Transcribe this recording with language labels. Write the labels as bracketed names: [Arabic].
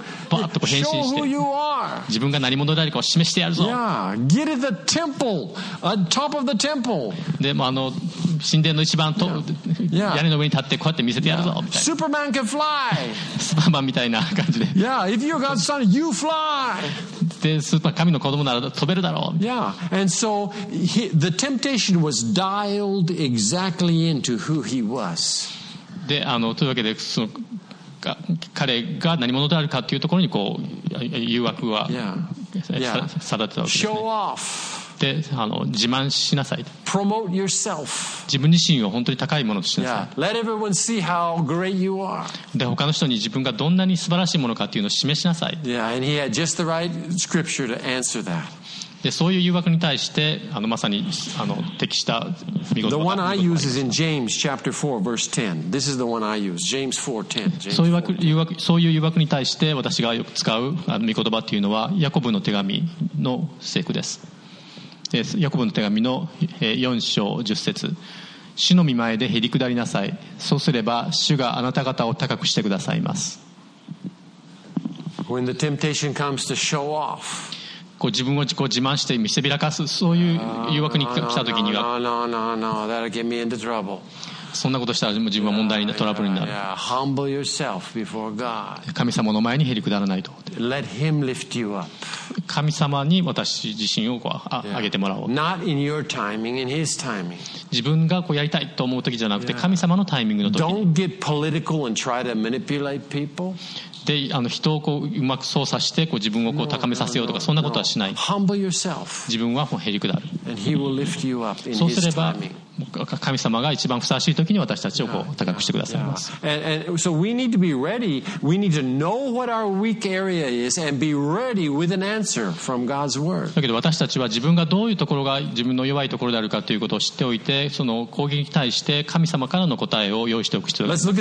[Japanese] バッとこう変身して自分が何者であるかを示してやるぞ。 [English] Get to the temple, top of the temple. [Japanese] でも神殿の一番と、yeah. 屋根の上に立ってこうやって見せてやるぞ、yeah. [English] Superman can fly. [Japanese] スーパーマンみたいな感じで。 [English] Yeah, if you're God's son, you fly. [Japanese] でスーパー神の子供なら飛べるだろう。 [English] Yeah, and so the temptation was dialed exactly into who he was. [Japanese] でというわけでその。彼が何者であるかというところにこう誘惑は定ってたわけですね。で自慢しなさい。 [English] Promote yourself. [Japanese] 自分自身を本当に高いものとしなさい。 [English] Yeah. Let everyone see how great you are. [Japanese] で他の人に自分がどんなに素晴らしいものかというのを示しなさい。 [English] Yeah. And he had just the right scripture to answer that. [Japanese] でそういう誘惑に対してまさに適した見事な。 [English] The one I use is in James chapter 4 verse 10. This is the one I use. James 4:10. [Japanese] そういう誘惑に対して私がよく使う見言葉というのはヤコブの手紙の聖句です。ヤコブの手紙の4章10節。主の御前でへり下りなさい。そうすれば主があなた方を高くしてくださいます。 [English] When the temptation comes to show off. [Japanese] 自分を自慢して見せびらかすそういう誘惑に来た時には [English] no, no, no, no, no. That'll get me into trouble. [Japanese] そんなことしたら自分は問題になるトラブルになる。 [English] yeah, yeah, yeah. Humble yourself before God. [Japanese] 神様の前にへりくだらないと。 [English] Let him lift you up. [Japanese] 神様に私自身を上げてもらおう。 [English] Not in your timing, in his timing. [Japanese] 自分がやりたいと思う時じゃなくて神様のタイミングの時。 [English] Don't get political and try to manipulate people. [Japanese] で人をうまく操作して自分を高めさせようとかそんなことはしない。 [English] Humble yourself. [Japanese] 自分はへりくだる。 [English] And he will lift you up in his timing. [Japanese] そうすれば神様が一番ふさわしい時に私たちを高くしてくださいます。 [English] And so we need to be ready. We need to know what our weak area is and be ready with an answer from God's word. [Japanese] だけど私たちは自分がどういうところが自分の弱いところであるかということを知っておいて、その攻撃に対して神様からの答えを用意しておく必要があります